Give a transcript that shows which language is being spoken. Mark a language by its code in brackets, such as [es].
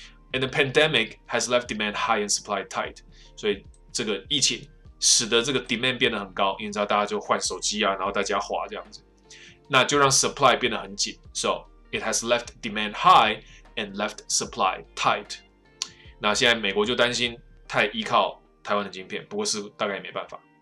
[en] And the pandemic has left demand high and supply tight. [zh] 所以这个疫情使得这个 demand 变得很高，因为你知道大家就换手机啊，然后大家滑这样子。那就让 supply 变得很紧。 [en] So it has left demand high and left supply tight。 [zh] 那现在美国就担心太依靠台湾的晶片，不过是大概也没办法。